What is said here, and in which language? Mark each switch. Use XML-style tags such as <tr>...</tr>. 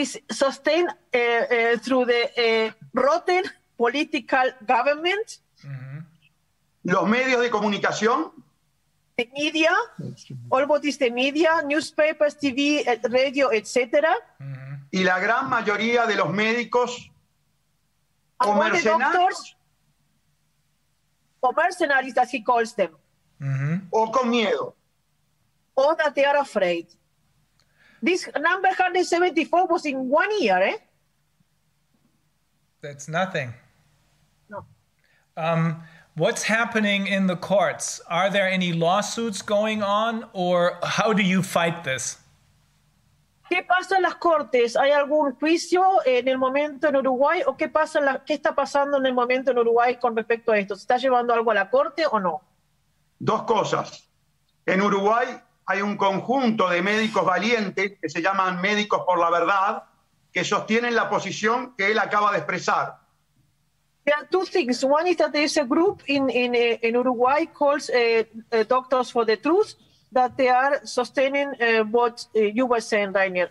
<en>Sustain through the rotten political government.</en> <es>Los medios de comunicación.</es> <en>The media, all what is the media, newspapers, TV, radio, etc.</en> <es>Y la gran mayoría de los médicos o mercenarios.</es> <en>O mercenaries, as he calls them.</en> <es>O con miedo.</es> <en>O that they are afraid. This number 174 was in 1 year, eh? That's nothing. No. What's happening in the courts? Are there any lawsuits going on, or how do you fight this?</en> <es>¿Qué pasa en las cortes? ¿Hay algún juicio en el momento en Uruguay? ¿O qué pasa en qué está pasando en el momento en Uruguay con respecto a esto? ¿Se está llevando algo a la corte o no? Dos cosas. En Uruguay hay un conjunto de médicos valientes que se llaman Médicos por la Verdad, que sostienen la posición que él acaba de expresar.</es> <en>There are two things. One is that there is a group in Uruguay called Doctors for the Truth that they are sustaining what you were saying, Rainer.</en>